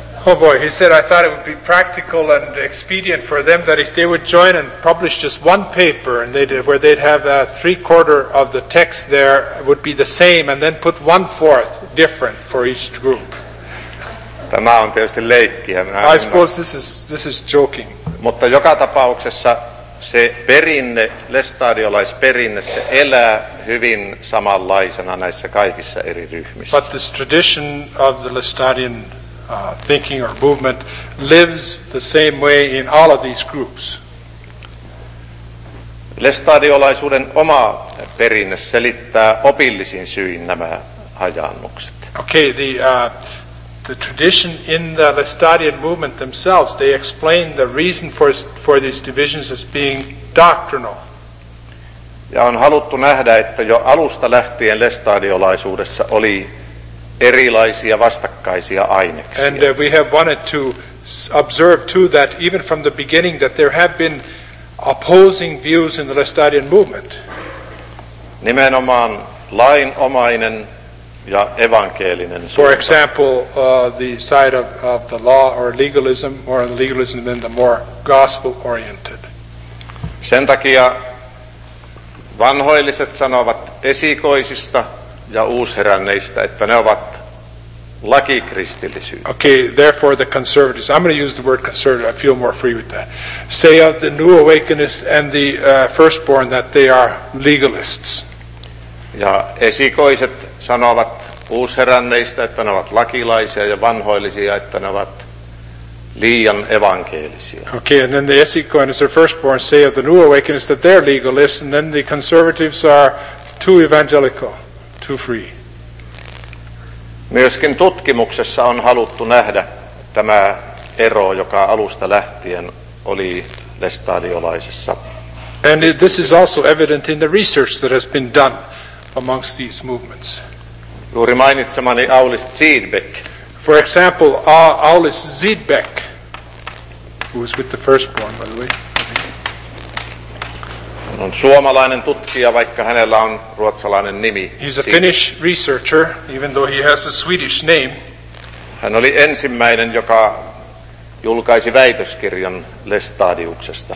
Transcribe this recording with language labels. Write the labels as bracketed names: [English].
[English] Oh boy, he said, I thought it would be practical and expedient for them that if they would join and publish just one paper and they'd, where they'd have a 3/4 of the text there would be the same and then put 1/4 different for each group. [Finnish] Tämä on tietysti leikkiä. [English] I suppose this is joking. [Finnish] Mutta joka tapauksessa se perinne, lestadiolaisperinne, se elää hyvin samanlaisena näissä kaikissa eri ryhmissä. [English] But this tradition of the Lestadian thinking or movement lives the same way in all of these groups. [Finnish] Lestadiolaisuuden oma perinne selittää opillisin syyn nämä hajannukset. [English] Okay, the tradition in the Lestadian movement themselves, they explain the reason for these divisions as being doctrinal. [Finnish] Ja on haluttu nähdä, että jo alusta lähtien lestadiolaisuudessa oli erilaisia vastakkaisia aineksia. [English] And we have wanted to observe too that even from the beginning that there have been opposing views in the Lestadian movement. [Finnish] Nimenomaan lainomainen ja evankeelinen suunta. [English] For example, the side of the law or legalism, or legalism than the more gospel-oriented. [Finnish] Sen takia vanhoilliset sanovat esikoisista ja uusheränneistä, että ne ovat lakikristillisyyttä. [English] Okay, therefore the conservatives, I'm going to use the word conservative, I feel more free with that, say of the new awakenists and the firstborn that they are legalists. [Finnish] Ja esikoiset sanovat uusheränneistä, että ne ovat lakilaisia, ja vanhoillisia, että ne ovat liian evankeelisia. [English] Okay, and then the esikoiset, the firstborn, say of the new awakenists that they're legalists, and then the conservatives are too evangelical, too free. [Finnish] Myöskin tutkimuksessa on haluttu nähdä tämä ero, joka alusta lähtien oli lestadiolaisessa. [English] And this is also evident in the research that has been done amongst these movements. [Finnish] Juuri mainitsemani Aulis Zidbeck. [English] For example, Aulis Zidbeck, who was with the firstborn, by the way. [Finnish] Hän on suomalainen tutkija, vaikka hänellä on ruotsalainen nimi. [English] He's a Finnish researcher, even though he has a Swedish name. [Finnish] Hän oli ensimmäinen, joka julkaisi väitöskirjan lestadiuksesta.